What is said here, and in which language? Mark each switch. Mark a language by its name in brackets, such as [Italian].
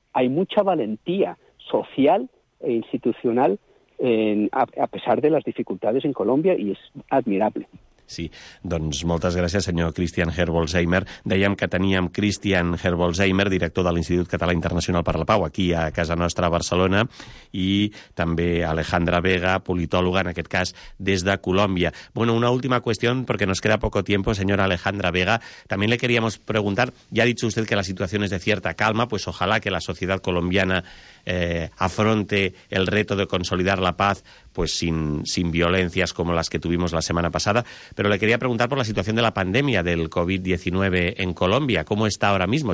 [Spanish] Hay mucha valentía social e institucional a pesar de las dificultades en Colombia y es admirable. [Catalan] Sí, doncs moltes gràcies, senyor Christian Gerbolzheimer. Dèiem que teníem Christian Gerbolzheimer, director de l'Institut Català Internacional per la Pau, aquí a casa nostra, a Barcelona, i també Alejandra Vega, politòloga, en aquest cas, des de Colòmbia. [Spanish] Bueno, una última [Catalan] qüestió, perquè [Spanish] nos queda poco tiempo, senyora Alejandra Vega. [Catalan] També [Spanish] le queríamos preguntar, ja ha dicho usted que [Catalan] la situació és [Spanish] de cierta calma, pues ojalá que la [Catalan] societat [Spanish] colombiana afronte el reto de consolidar la paz pues sin violencias como las que tuvimos la semana pasada, pero le quería preguntar por la situación de la pandemia del COVID-19 en Colombia. ¿Cómo está ahora mismo?